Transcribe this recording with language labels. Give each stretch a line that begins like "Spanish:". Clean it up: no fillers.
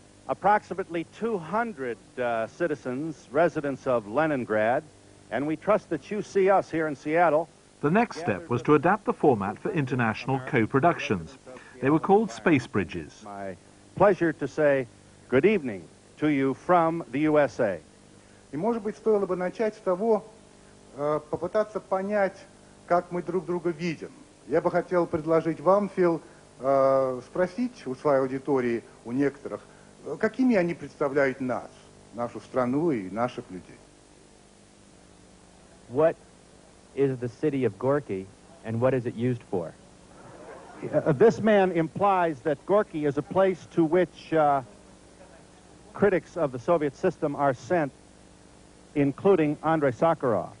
English: approximately 200 citizens, residents of Leningrad, and we trust that you see us here in Seattle. The next step was to adapt the format for international co-productions. They were called space bridges. My pleasure to say good evening to you from the USA.
Russian: И может быть стоило бы начать с того, попытаться понять, как мы друг друга видим. Я бы хотел предложить вам, Фил, спросить у своей аудитории, у некоторых, какими они представляют нас, нашу страну и наших людей.
English: What is the city of Gorky and what is it used for? This man implies that Gorky is a place to which critics of the Soviet system are sent, including Andrei Sakharov.